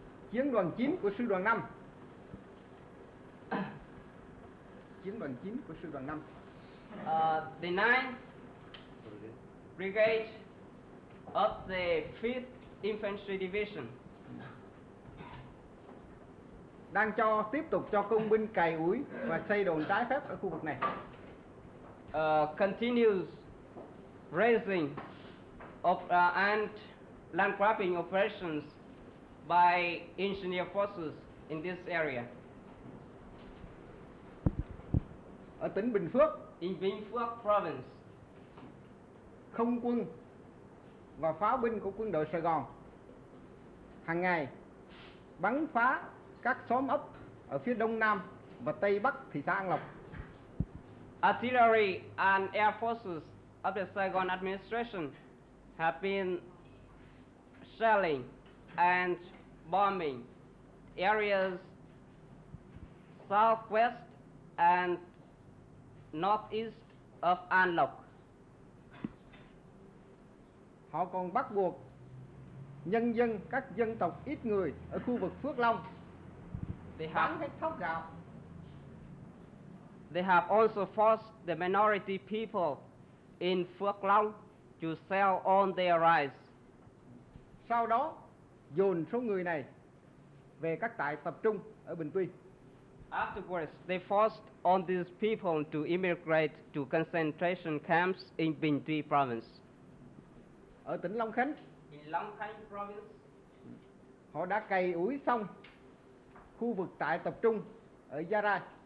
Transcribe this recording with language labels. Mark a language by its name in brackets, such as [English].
[Vietnamese] chiến đoàn 9 của sư đoàn 5 [English] the 9th Brigade of the 5th Infantry Division [Vietnamese] đang cho tiếp tục cho công binh cày ủi và xây đồn trái phép ở khu vực này. [English] Continues raising of and land grabbing operations by engineer forces in this area. [Vietnamese] Ở tỉnh Bình Phước, [English] in Bình Phước province, [Vietnamese] không quân và pháo binh của quân đội Sài Gòn hàng ngày bắn phá các xóm ấp ở phía đông nam và tây bắc thị xã An Lộc. [English] Artillery and air forces of the Saigon administration have been shelling and bombing areas southwest and northeast of An Lộc. [Vietnamese] Họ còn bắt buộc nhân dân các dân tộc ít người ở khu vực Phước Long bán hết thóc gạo. [English] They have also forced the minority people in Phước Long to sell all their rice. [Vietnamese] Sau đó, dồn số người này về các trại tập trung ở Bình Tuy. [English] Afterwards, they forced all these people to immigrate to concentration camps in Bình Tuy province. [Vietnamese] Ở tỉnh Long Khánh, [English] in Long Khánh province, [Vietnamese] họ đã cày ủi xong khu vực trại tập trung ở Gia Rai.